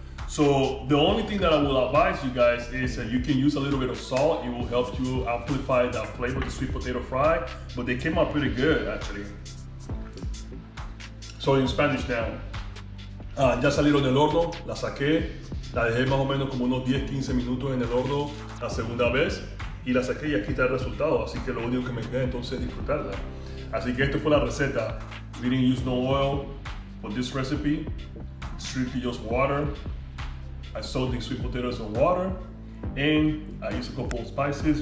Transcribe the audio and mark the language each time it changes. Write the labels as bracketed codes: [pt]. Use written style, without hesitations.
[en] So the only thing that I will advise you guys is that you can use a little bit of salt. It will help you amplify that flavor, the sweet potato fry, but they came out pretty good actually. So in Spanish now, [es] ya salieron del horno, la saqué, la dejé más o menos como unos 10-15 minutos en el horno la segunda vez y la saqué y aquí está el resultado. Así que lo único que me queda entonces es disfrutarla. Así que esto fue la receta. [en] We didn't use no oil for this recipe. Strictly just water. I soaked the sweet potatoes in water and I used a couple of spices.